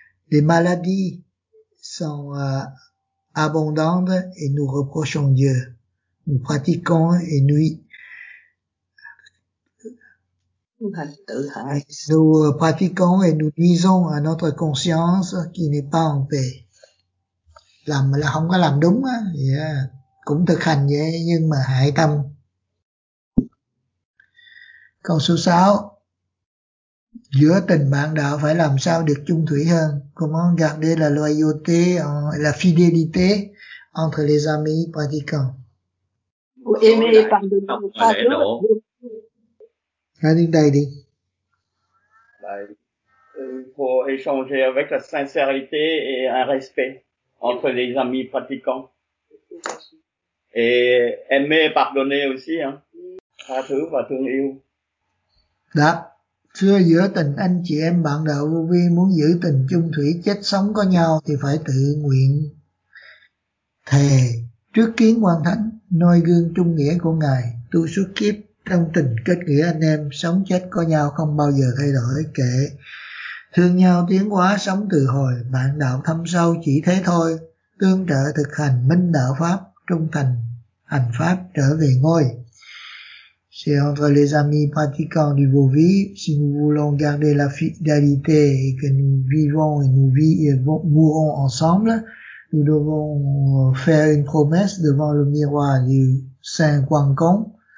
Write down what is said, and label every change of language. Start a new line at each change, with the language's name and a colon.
French: Les maladies sont abondantes et nous reprochons Dieu. Nous pratiquons et nous nuisons à notre conscience qui n'est pas en paix.
Vietnamese: Làm là không có làm đúng á, cũng thực hành vậy nhưng mà hại tâm. Câu số 6. Giữa tình bạn đạo phải làm sao được chung thủy hơn?
French: Comment garder la loyauté, la fidélité entre les amis pratiquants? Vous aimez et pardonnez pas l'autre. Allez, d'ailleurs. Pour échanger avec la sincérité et un respect entre les amis pratiquants. Et aimer et pardonner aussi, hein.
Vietnamese: tha thứ và thương yêu. Đã, xưa giữa tình anh chị em bạn đạo vô vi muốn giữ tình chung thủy chết sống có nhau thì phải tự nguyện thề trước kiến quan thánh, noi gương trung nghĩa của Ngài, tu suốt kiếp trong tình kết nghĩa anh em, sống chết có nhau không bao giờ thay đổi, kể thương nhau tiến hóa sống từ hồi, bạn đạo thâm sâu chỉ thế thôi, tương trợ thực hành minh đạo pháp, trung thành hành pháp trở về ngôi.
French: C'est entre les amis pratiquants du beau vivre, si nous voulons garder la fidélité et que nous vivons et nous mourons ensemble, nous devons faire une promesse devant le miroir du Saint Quang Cong